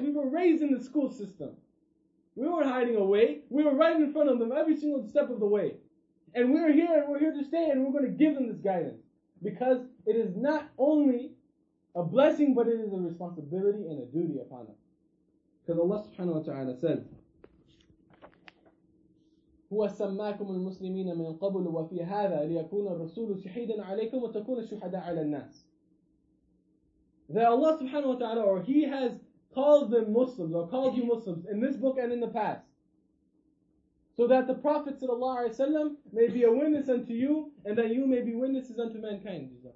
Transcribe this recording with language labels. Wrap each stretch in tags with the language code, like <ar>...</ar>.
<en>We were raised in the school system. We weren't hiding away. We were right in front of them every single step of the way. And we're here and we're here to stay and we're going to give them this guidance. Because it is not only a blessing, but it is a responsibility and a duty upon us. Because Allah subhanahu wa ta'ala said,</en> <ar>هو سماكم المسلمين من قبل وفي هذا ليكون الرسول شهيدا عليكم وتكون شهداء على الناس.</ar> <en>That Allah subhanahu wa ta'ala, or He has called them Muslims, or called you Muslims in this book and in the past, so that the Prophet sallallahu alayhi wa sallam may be a witness unto you, and that you may be witnesses unto mankind.</en>